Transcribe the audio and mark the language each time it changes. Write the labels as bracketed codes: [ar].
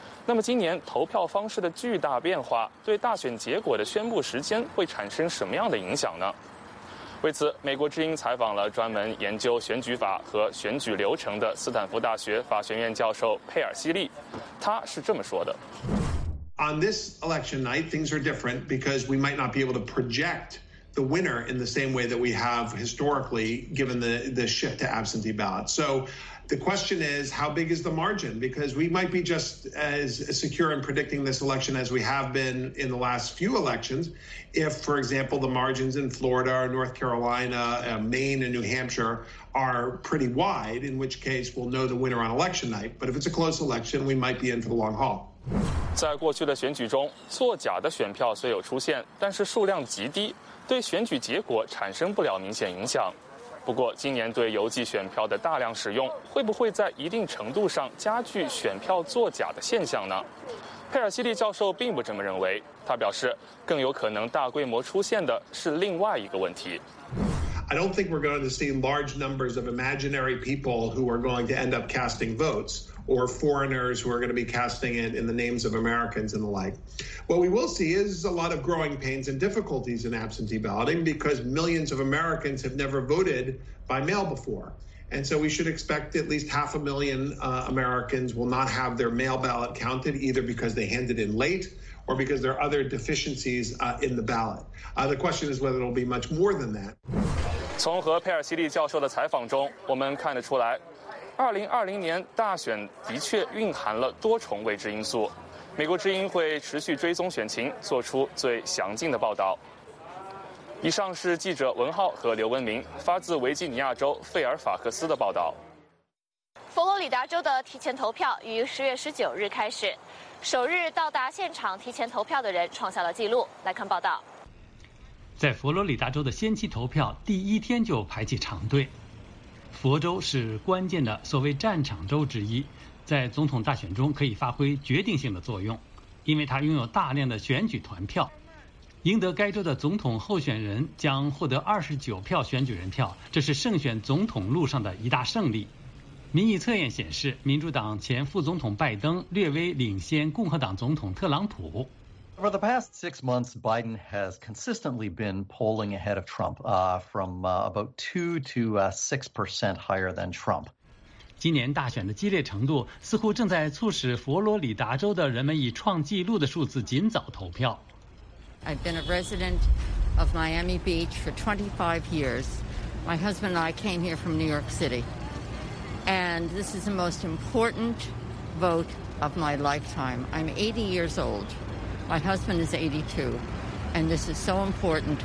[zh] 那么今年投票方式的巨大变化对大选结果的宣布时间会产生什么样的影响呢？为此，美国之音采访了专门研究选举法和选举流程的斯坦福大学法学院教授佩尔西利，他是这么说的 [en] ：On this election night, things are different because we might not be able to project the winner in the same way that we have historically, given the shift to absentee ballots. So, the question is, how big is the margin? Because we might be just as secure in predicting this election as we have been in the last few elections, if, for example, the margins in Florida or North Carolina, Maine and New Hampshire are pretty wide, in which case we'll know the winner on election night. But if it's a close election, we might be in for the long haul. [zh] 在过去的选举中，作假的选票虽有出现，但是数量极低，对选举结果产生不了明显影响。不过，今年对邮寄选票的大量使用，会不会在一定程度上加剧选票作假的现象呢？佩尔西利教授并不这么认为，他表示，更有可能大规模出现的是另外一个问题。 [en] I don't think we're going to see large numbers of imaginary people who are going to end up casting votes. Or foreigners who are going to be casting it in the names of Americans and the like. What we will see is a lot of growing pains and difficulties in absentee balloting because millions of Americans have never voted by mail before. And so we should expect at least 500,000Americans will not have their mail ballot counted either because they handed in late or because there are other deficiencies in the ballot. The question is whether it'll be much more than that. [zh] 从和佩尔西利教授的采访中，我们看得出来2020年大选的确蕴含了多重未知因素，美国之音会持续追踪选情，做出最详尽的报道。以上是记者文浩和刘文明发自维吉尼亚州费尔法克斯的报道。佛罗里达州的提前投票于10月19日开始，首日到达现场提前投票的人创下了纪录。来看报道，在佛罗里达州的先期投票第一天就排起长队。佛州是关键的所谓战场州之一，在总统大选中可以发挥决定性的作用，因为它拥有大量的选举团票。赢得该州的总统候选人将获得29票选举人票，这是胜选总统路上的一大胜利。民意测验显示，民主党前副总统拜登略微领先共和党总统特朗普。 [en] For the past 6 months, Biden has consistently been polling ahead of Trump, about 2 to 6% higher than Trump. [zh] 今年大选的激烈程度似乎正在促使佛罗里达州的人们以创纪录的数字尽早投票。 [en] I've been a resident of Miami Beach for 25 years. My husband and I came here from New York City. And this is the most important vote of my lifetime. I'm 80 years old. My husband is 82, and this is so important.